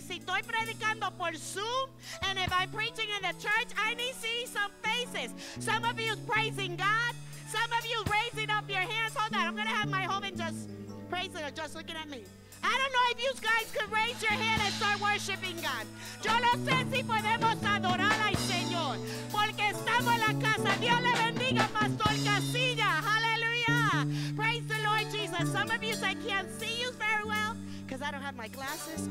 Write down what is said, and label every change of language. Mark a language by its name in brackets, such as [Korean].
[Spanish] Si estoy predicando por Zoom, [English] and if I'm preaching in the church, I need to see some faces. Some of you praising God. Some of you raising up your hands. Hold on, I'm going to have my joven just praise the Lord, just looking at me. I don't know if you guys could raise your hand and start worshiping God. [Spanish] Yo no sé si podemos adorar al Señor, porque estamos en la casa. Dios le bendiga, Pastor Casilla. Hallelujah. [English] Praise the Lord Jesus. Some of you say, can't see you very well because I don't have my glasses.